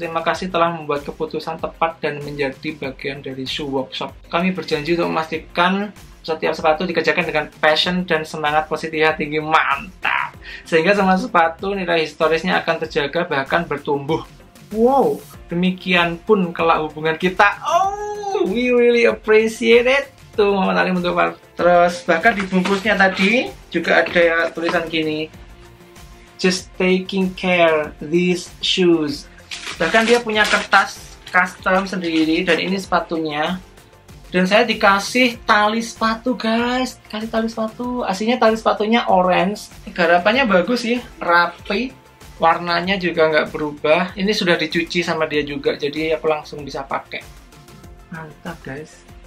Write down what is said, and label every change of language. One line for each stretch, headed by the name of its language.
Indonesian: Terima kasih telah membuat keputusan tepat dan menjadi bagian dari shoe workshop. Kami berjanji untuk memastikan setiap sepatu dikerjakan dengan passion dan semangat positif yang tinggi. Mantap. Sehingga semua sepatu nilai historisnya akan terjaga bahkan bertumbuh. Wow, demikian pun kelak hubungan kita.
English: Oh, we really appreciate it.
Indonesian: Tuh, Muhammad Alim untuk Pak. Terus bahkan di bungkusnya tadi juga ada tulisan gini.
English: Just taking care these shoes.
Indonesian: Bahkan dia punya kertas custom sendiri dan ini sepatunya. Dan saya dikasih tali sepatu, guys. Kasih tali sepatu. Aslinya tali sepatunya orange. Garapannya bagus sih, rapi. Warnanya juga nggak berubah. Ini sudah dicuci sama dia juga, jadi aku langsung bisa pakai. Mantap, guys.